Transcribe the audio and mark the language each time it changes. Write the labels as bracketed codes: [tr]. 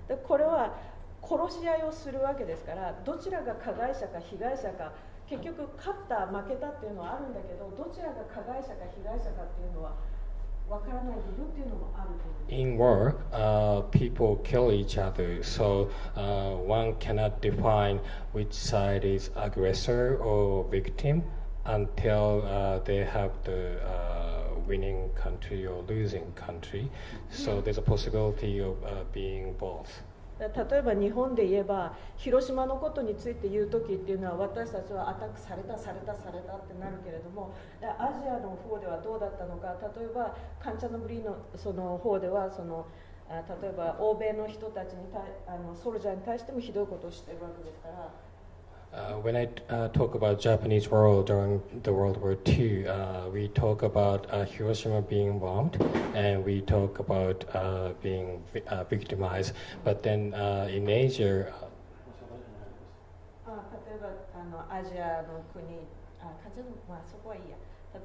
[ja] これは殺し合いをするわけですから、どちらが加害者か被害者か、結局勝った負けたっていうのはあるんだけど、どちらが加害者か被害者かっていうのは分からない部分っていうのもあると思う。 [en] In war, people kill each other, so one cannot define which side is aggressor or victim until they have the winning country or losing country. So there's a possibility of being both. [ja] 例えば日本で言えば広島のことについて言うときっていうのは私たちはアタックされたされたされたってなるけれども、アジアの方ではどうだったのか、例えばカンチャノブリのその方ではその例えば欧米の人たちに対あのソルジャーに対してもひどいことをしているわけですから。 [en] When I talk about Japanese world during the World War II, we talk about Hiroshima being bombed, and we talk about being victimized. But then in Asia, for example, in Asia, the countries, well, that's okay.